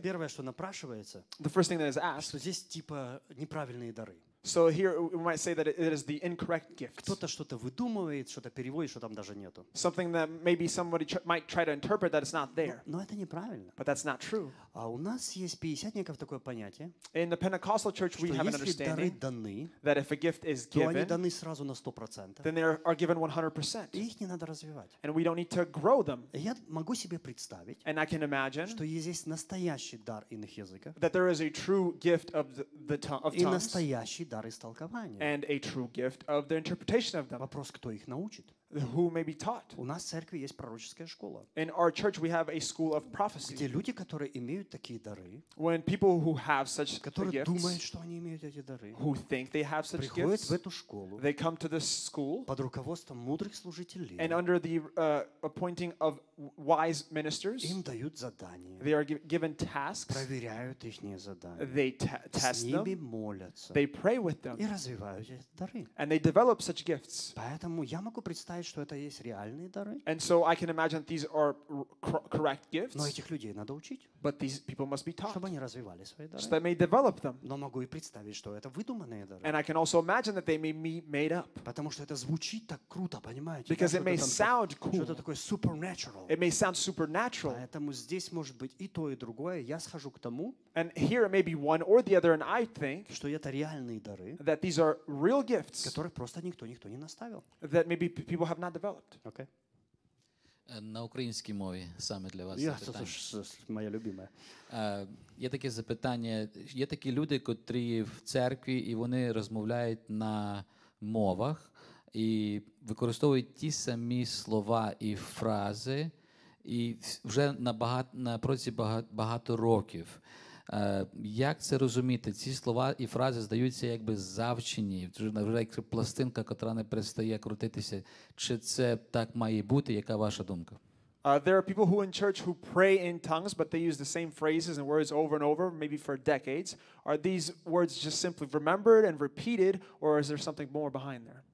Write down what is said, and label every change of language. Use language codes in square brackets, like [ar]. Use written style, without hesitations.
[ru] первое, что напрашивается, [en] the first thing that is asked, [ru] что здесь типа неправильные дары. [en] So here we might say that it is the incorrect gift. [ru] Кто-то что-то выдумывает, что-то переводит, что там даже нету. [en] Something that maybe somebody might try to interpret that it's not there. [ru] Но это неправильно. [en] But that's not true. [ru] А у нас есть пятидесятников такое понятие. [en] In the Pentecostal church we have an understanding [ru] дары даны, [en] that if a gift is given, [ru] то они даны сразу на 100%. [en] Then they are given 100%. [ru] И их не надо развивать. [en] And we don't need to grow them. [ru] Я могу себе представить, [en] and I can imagine, [ru] что есть настоящий дар иных языков. [en] That there is a true gift of the of tongues. [ru] И настоящий дар истолкования. [en] And a true gift of the interpretation of them. [ru] Вопрос, кто их научит? [en] Who may be taught? [ru] У нас в церкви есть пророческая школа. [en] In our church we have a school of prophecy. [ru] Где люди, которые имеют такие дары, [en] when people who have such gifts, [ru] которые думают, что они имеют эти дары, [en] who think they have such [ru] приходят [en] gifts, [ru] в эту школу, [en] they come to this school, [ru] под руководством мудрых служителей, [en] and under the appointing of wise ministers, [ru] им дают задания, [en] they are given tasks, [ru] проверяют их задания, [en] they test them, [ru] с ними молятся, [en] they pray with them, [ru] и развивают эти дары, [en] and they develop such gifts. [ru] Поэтому я могу представить, что это есть реальные дары. [en] And so I can imagine these are correct gifts. [ru] Но этих людей надо учить. [en] But these people must be taught. [ru] Чтобы они развивали свои дары. [en] So they may develop them. [ru] Но могу и представить, что это выдуманные дары. [en] And I can also imagine that they may be made up. [ru] Потому что это звучит так круто, понимаете? [en] Because it may sound cool. [ru] Что-то такое supernatural. [en] It may sound supernatural. [ru] Поэтому здесь может быть и то, и другое. Я схожу к тому. [en] And here it may be one or the other, and I think [ru] что это реальные дары, [en] that these are real gifts, [ru] которые просто никто не наставил. [en] That maybe people have not developed. Okay. [uk] На українській мові саме для вас. Це моя любима. Є таке запитання. Є такі люди, котрі в церкві, і вони розмовляють на мовах, і використовують ті самі слова і фрази, і вже на протязі багато років. Як це розуміти? Ці слова і фрази здаються якби завчені, вже як пластинка, яка не перестає крутитися. Чи це так має бути? Яка ваша думка? [en] There are people who in church who pray in tongues, but they use the same phrases and words over and over, maybe for decades. Are these words just simply remembered and repeated, or is there something more behind there?